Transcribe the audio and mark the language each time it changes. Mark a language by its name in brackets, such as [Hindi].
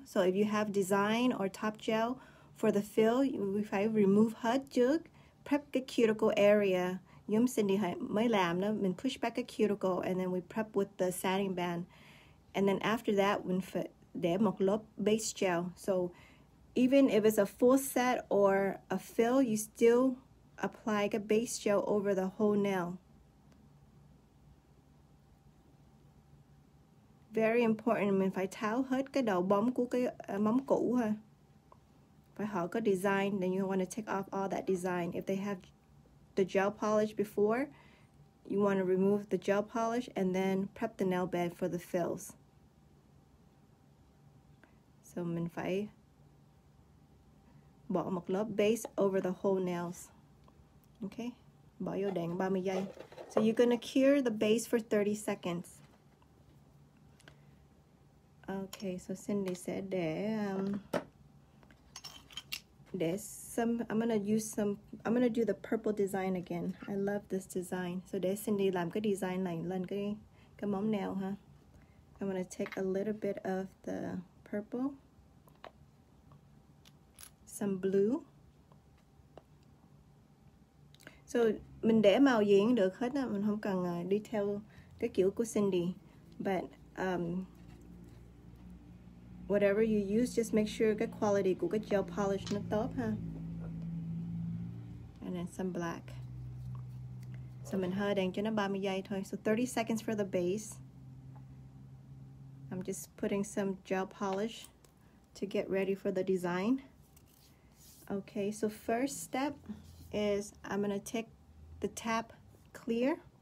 [English] So if you have design or top gel for the fill, we [Vietnamese] phải remove hết trước. [English] Prep cái cuticle area. [Vietnamese] Giống Cindy mới làm đó, mình [English] push back cái cuticle and then we prep with the setting band. And then after that, [Vietnamese] mình phải để một lớp base gel. [English] So even if it's a full set or a fill, you still apply a base gel over the whole nail. [Vietnamese] Very important, mình phải tháo hết cái đầu bóng của cái móng cũ ha. Phải họ có [English] design, then you want to take off all that design. If they have the gel polish before, you want to remove the gel polish and then prep the nail bed for the fills. [Vietnamese] So mình phải bỏ một lớp base [English] over the whole nails. [Vietnamese] Okay, bỏ vô đèn 30 giây. [English] So you're gonna cure the base for 30 seconds. Okay, so Cindy said I'm gonna do the purple design again. I love this design. [Vietnamese] So để Cindy làm cái design này lên cái móng nail ha. [English] I'm gonna take a little bit of the purple, some blue. [Vietnamese] So mình để màu gì cũng được hết á, mình không cần đi theo cái kiểu của Cindy. [English] But whatever you use, just make sure [Vietnamese] cái quality của cái gel polish nó tốt ha. [English] And then some black. [Vietnamese] So mình hơi đèn cho nó 30 giây thôi. [English] So 30 seconds for the base. I'm just putting some gel polish to get ready for the design. Okay, so first step is I'm gonna take the tap clear.